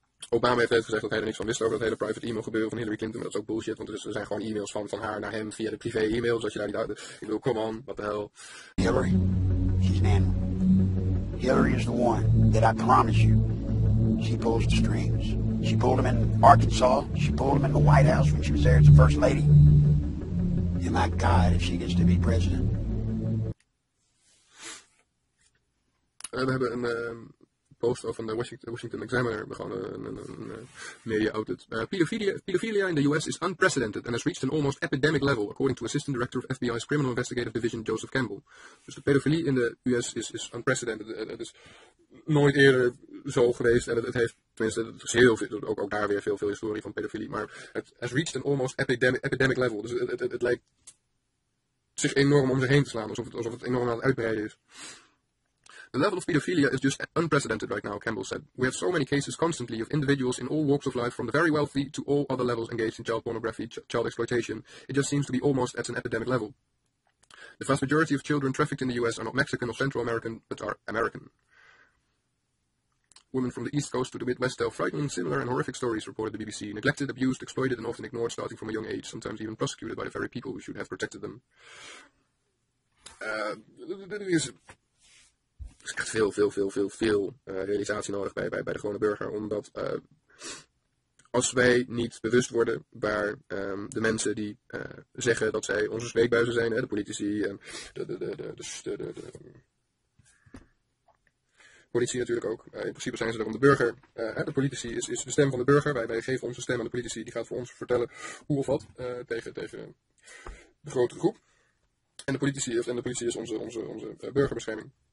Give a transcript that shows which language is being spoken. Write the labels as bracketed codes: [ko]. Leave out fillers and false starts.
[nl] Obama heeft net gezegd dat hij er niks van wist over dat hele private e-mail gebeuren van Hillary Clinton. Maar dat is ook bullshit, want er zijn gewoon e-mails van haar naar hem via de privé e-mail. Dus als je daar niet uit... Ik bedoel, [en] come on, what the hell. Hillary, she's an animal. Hillary is the one that I promise you, she pulls the strings. She pulled them in Arkansas. She pulled them in the White House when she was there as the first lady. And my God, if she gets to be president. [nl] We hebben een post van de Washington Examiner, een media outlet. [en] Pedophilia in the US is unprecedented and has reached an almost epidemic level, according to Assistant Director of FBI's Criminal Investigative Division, Joseph Campbell. [nl] Dus de pedofilie in de US is unprecedented. Het is nooit eerder zo geweest en het heeft, tenminste, het is heel veel, ook daar weer veel historie van pedofilie, maar het [en] has reached an almost epidemic level. [nl] Dus het lijkt zich enorm om zich heen te slaan, alsof het enorm aan het uitbreiden is. [en] The level of pedophilia is just unprecedented right now, Campbell said. We have so many cases constantly of individuals in all walks of life, from the very wealthy to all other levels engaged in child pornography, child exploitation. It just seems to be almost at an epidemic level. The vast majority of children trafficked in the US are not Mexican or Central American, but are American. Women from the East Coast to the Midwest tell frightening, similar and horrific stories, reported the BBC. Neglected, abused, exploited and often ignored, starting from a young age, sometimes even prosecuted by the very people who should have protected them. [nl] Er is echt veel realisatie nodig bij de gewone burger, omdat als wij niet bewust worden waar de mensen die zeggen dat zij onze spreekbuizen zijn, hè, de politici en de politici natuurlijk ook, in principe zijn ze er om de burger, de politici is de stem van de burger, wij geven onze stem aan de politici, die gaat voor ons vertellen hoe of wat tegen de grote groep, en de politici is onze burgerbescherming.